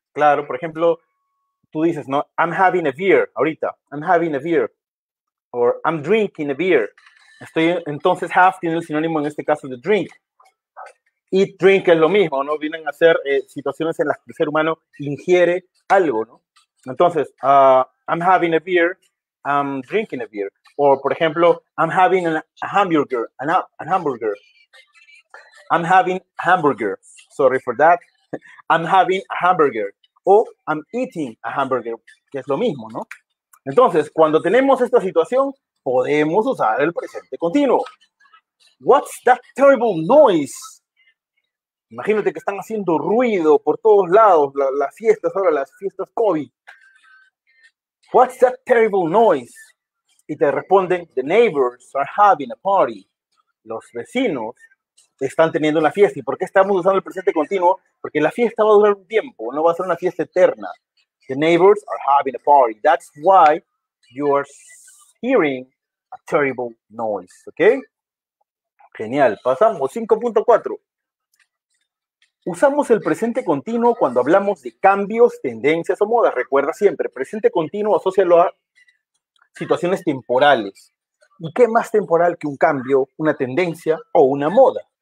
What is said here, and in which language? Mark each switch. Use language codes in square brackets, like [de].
[es] Claro, por ejemplo, tú dices, ¿no? [en] I'm having a beer [es] ahorita. [en] I'm having a beer. Or I'm drinking a beer. [es] Entonces have tiene el sinónimo en este caso de drink. Eat, drink es lo mismo, ¿no? Vienen a ser situaciones en las que el ser humano ingiere algo, ¿no? [en] Entonces, I'm having a beer, I'm drinking a beer. [es] O, por ejemplo, [en] I'm having a hamburger, an hamburger. I'm having hamburger, sorry for that. I'm having a hamburger. [es] o [en] I'm eating a hamburger, [es] que es lo mismo, ¿no? Entonces, cuando tenemos esta situación, podemos usar el presente continuo. [en] What's that terrible noise? [es] Imagínate que están haciendo ruido por todos lados, las fiestas, ahora las fiestas COVID. [en] What's that terrible noise? [es] Y te responden, [en] the neighbors are having a party. [es] Los vecinos están teniendo una fiesta. ¿Y por qué estamos usando el presente continuo? Porque la fiesta va a durar un tiempo, no va a ser una fiesta eterna. [en] The neighbors are having a party. That's why you are hearing a terrible noise. [es] ¿Ok? Genial. Pasamos. 5.4. Usamos el presente continuo cuando hablamos de cambios, tendencias o modas. Recuerda siempre, presente continuo asócialo a situaciones temporales. ¿Y qué más temporal que un cambio, una tendencia o una moda?